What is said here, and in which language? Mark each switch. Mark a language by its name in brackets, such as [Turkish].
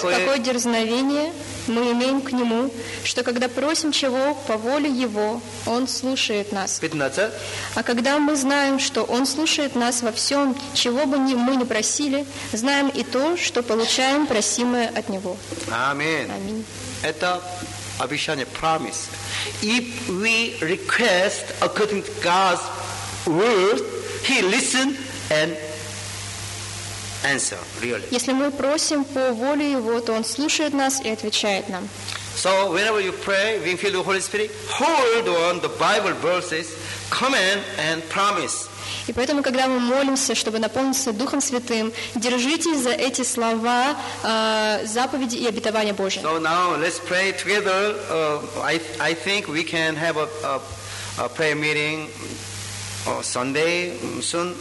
[Russian] Какое дерзновение мы имеем к Нему, что когда просим чего по воле Его, Он слушает нас. 15. А когда мы знаем, что Он слушает нас во всем, чего бы мы ни просили, знаем и то, что получаем просимое от Него. Аминь. Это обещание, promise. [English] If we request according to God's word, He listens and answers, really. [Russian] Если мы просим по воле Его, то Он слушает нас и отвечает нам. [English] So whenever you pray, being filled with the Holy Spirit, hold on the Bible verses, command and promise. [Russian] И поэтому, когда мы молимся, чтобы наполниться Духом Святым, держитесь за эти слова, заповеди и обетования Божьи. [English] So now let's pray together. I think we can have a prayer meeting on Sunday soon.